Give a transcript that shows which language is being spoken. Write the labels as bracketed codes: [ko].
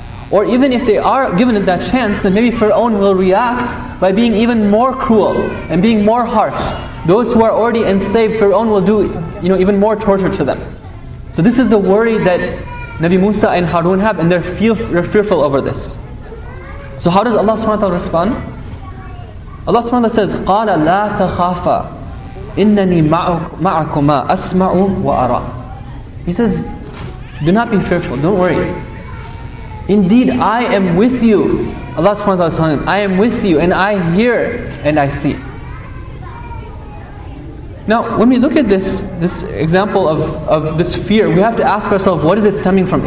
[en] Or even if they are given that chance, then maybe Fir'aun will react by being even more cruel and being more harsh. Those who are already enslaved, Fir'aun will do even more torture to them. So this is the worry that Nabi Musa and Harun have, and they're fearful over this. So how does Allah subhanahu wa ta'ala respond? Allah subhanahu wa ta'ala says, [ar] قَالَ لَا تَخَافَ إِنَّنِي مَعَكُمَا أَسْمَعُ وَأَرَى. [en] He says, do not be fearful, don't worry. Indeed, I am with you. Allah subhanahu wa ta'ala says, I am with you and I hear and I see. Now, when we look at this example of this fear, we have to ask ourselves, what is it stemming from?